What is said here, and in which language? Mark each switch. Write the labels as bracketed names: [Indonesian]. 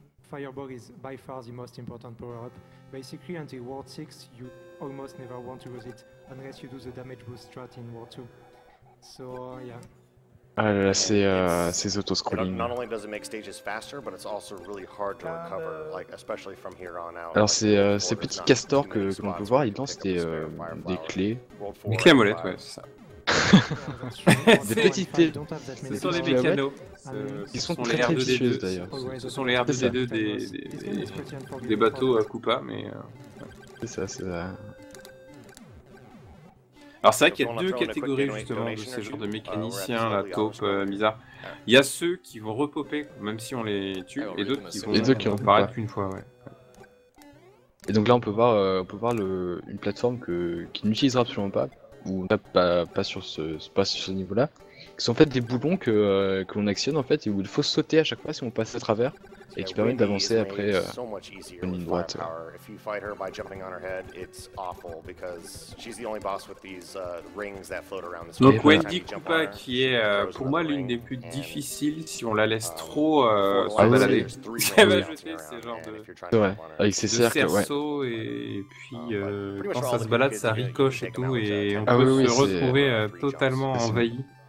[English] Fireball is by far the most important power-up. Basically, until World 6, you almost never want to use it, unless you do the damage boost strat in World 2. So, yeah. [French] Ah là, c'est auto-scrolling. [English] Not only does it make stages faster, but it's also really hard to recover, like, especially from here on out. [French] Alors, c'est ces petits castors que l'on peut voir, ils lancent des clés. Des clés à molette, ouais, c'est ça. Des petites clés. Ce sont les mécanos. Ils sont très très vicieux d'ailleurs. Ce sont les R2D2 des bateaux à Koopa, mais. C'est ça, c'est ça. Alors c'est vrai qu'il y a deux catégories justement de ces genres de mécaniciens, la taupe, Mizar. Il y a ceux qui vont repopper même si on les tue, et d'autres qui vont apparaître qu'une fois. Ouais. Et donc là on peut voir une plateforme qui n'utilisera absolument pas, ou pas sur ce niveau-là, qui sont en fait des boulons que l'on actionne en fait, et où il faut sauter à chaque fois si on passe à travers, et qui permettent d'avancer après une ligne droite. [English] If you fight her by jumping on her head, it's awful because she's the only boss with these rings that float around. [French] Donc Wendy Koopa qui est pour moi l'une des plus difficiles si on la laisse trop balader. C'est vrai, avec ses cercles, ouais. Et puis quand ça se balade, ça ricoche et tout, et on peut se retrouver totalement envahi.